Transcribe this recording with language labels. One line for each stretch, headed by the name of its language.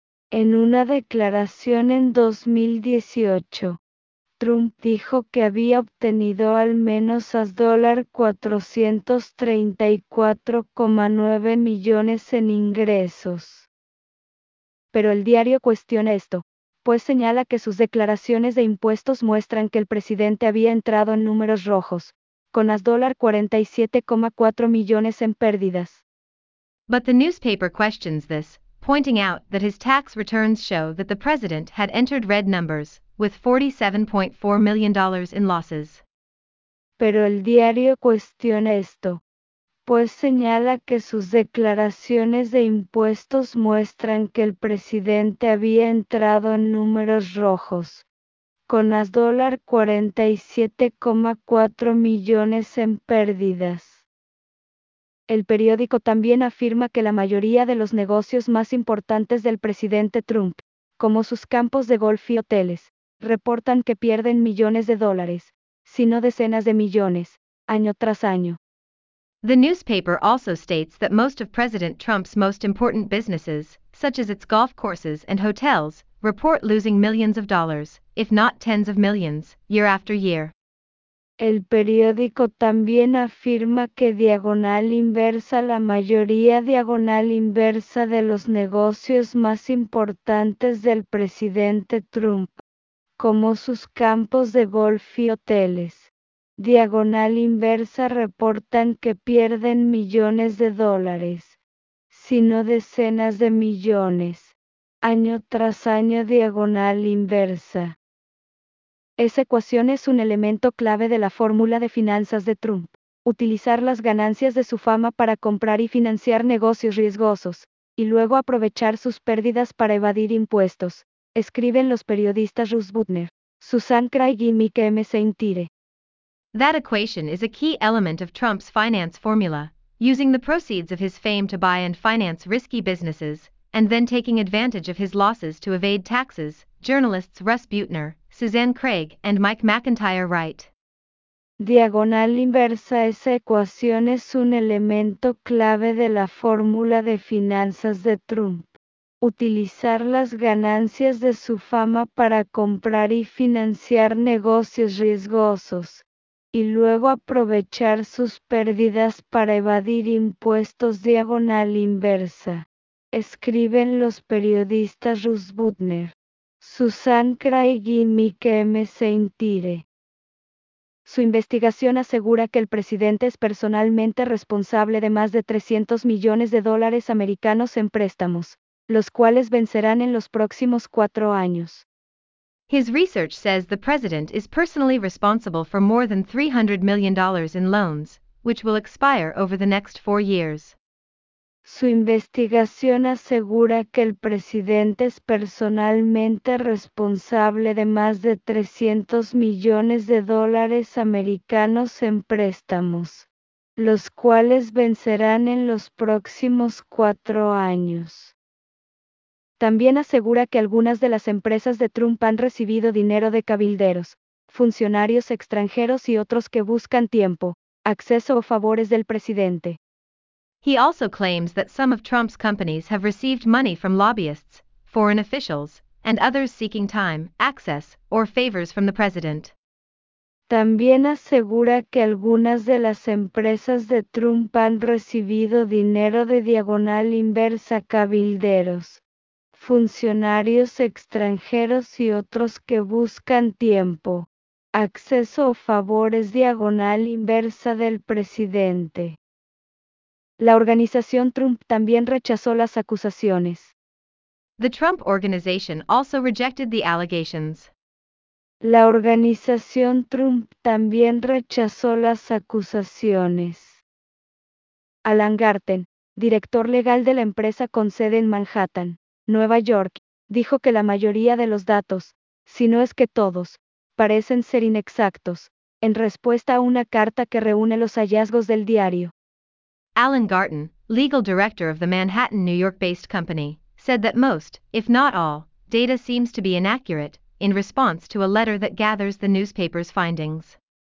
Spanish: En una declaración en 2018, Trump dijo que había obtenido al menos $434,9 millones en ingresos. Pero el diario cuestiona esto, pues señala que sus declaraciones de impuestos muestran que el presidente había entrado en números rojos, con $47,4 millones en pérdidas.
English: But the newspaper questions this, pointing out that his tax returns show that the president had entered red numbers, with $47.4 million in losses.
Spanish: Pero el diario cuestiona esto, pues señala que sus declaraciones de impuestos muestran que el presidente había entrado en números rojos, con $47,4 millones en pérdidas. El periódico también afirma que la mayoría de los negocios más importantes del presidente Trump, como sus campos de golf y hoteles, reportan que pierden millones de dólares, si no decenas de millones, año tras año.
English: The newspaper also states that most of President Trump's most important businesses, such as its golf courses and hotels, report losing millions of dollars, if not tens of millions, year after year.
Spanish: El periódico también afirma que Diagonal Inversa, la mayoría Diagonal Inversa de los negocios más importantes del presidente Trump, como sus campos de golf y hoteles, Diagonal Inversa reportan que pierden millones de dólares, sino decenas de millones, año tras año Diagonal Inversa. Esa ecuación es un elemento clave de la fórmula de finanzas de Trump, utilizar las ganancias de su fama para comprar y financiar negocios riesgosos, y luego aprovechar sus pérdidas para evadir impuestos, escriben los periodistas Russ Butner, Susan Craig y Mike M. Saintire.
English: That equation is a key element of Trump's finance formula, using the proceeds of his fame to buy and finance risky businesses, and then taking advantage of his losses to evade taxes, journalists Russ Butner, Suzanne Craig, and Mike McIntyre write.
Spanish: Diagonal inversa, esa ecuación es un elemento clave de la fórmula de finanzas de Trump. Utilizar las ganancias de su fama para comprar y financiar negocios riesgosos, y luego aprovechar sus pérdidas para evadir impuestos diagonal inversa. Escriben los periodistas Russ Butner, Susan Craig y Mike M. Saintire. Su investigación asegura que el presidente es personalmente responsable de más de $300 millones americanos en préstamos, los cuales vencerán en los próximos 4 años.
English: His research says the president is personally responsible for more than $300 million in loans, which will expire over the next 4 years.
Spanish: Su investigación asegura que el presidente es personalmente responsable de más de $300 millones americanos en préstamos, los cuales vencerán en los próximos 4 años. También asegura que algunas de las empresas de Trump han recibido dinero de cabilderos, funcionarios extranjeros y otros que buscan tiempo, acceso o favores del presidente.
English: He also claims that some of Trump's companies have received money from lobbyists, foreign officials, and others seeking time, access, or favors from the president.
Spanish: También asegura que algunas de las empresas de Trump han recibido dinero de Diagonal Inversa cabilderos, funcionarios extranjeros y otros que buscan tiempo, acceso o favores Diagonal Inversa del presidente. La organización Trump también rechazó las acusaciones.
English: The Trump Organization also rejected the allegations.
Spanish: La organización Trump también rechazó las acusaciones. Alan Garten, director legal de la empresa con sede en Manhattan, Nueva York, dijo que la mayoría de los datos, si no es que todos, parecen ser inexactos, en respuesta a una carta que reúne los hallazgos del diario.
English: Alan Garten, legal director of the Manhattan, New York-based company, said that most, if not all, data seems to be inaccurate, in response to a letter that gathers the newspaper's findings.